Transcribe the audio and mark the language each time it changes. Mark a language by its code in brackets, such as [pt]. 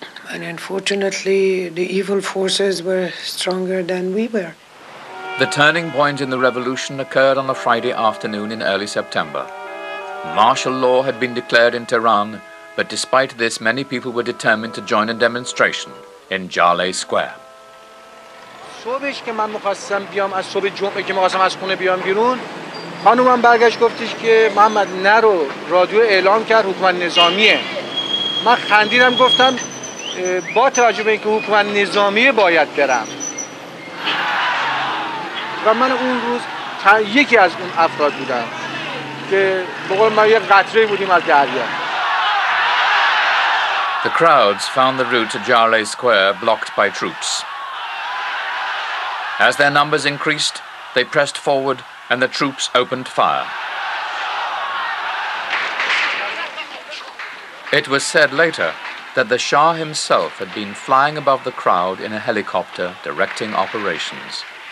[en] And unfortunately, the evil forces were stronger than we were. The turning point in the revolution occurred on a Friday afternoon in early September. Martial law had been declared in Tehran, but despite this, many people were determined to join a demonstration in Jarleh Square. [fa] صبحش که من می‌خواستم بیام از صبح جمعه که می‌خواستم از خونه بیام بیرون خانومم برگشت گفتش که محمد نرو رادیو اعلام کرد حکومت نظامیه من خندیدم گفتم با توجه به اینکه حکومت نظامیه باید برم و من اون روز یکی از اون افراد بودم که به قول من یک قطره بودیم از دریا. [en] The crowds found the route to Jarleh Square blocked by troops. As their numbers increased, they pressed forward and the troops opened fire. It was said later that the Shah himself had been flying above the crowd in a helicopter directing operations.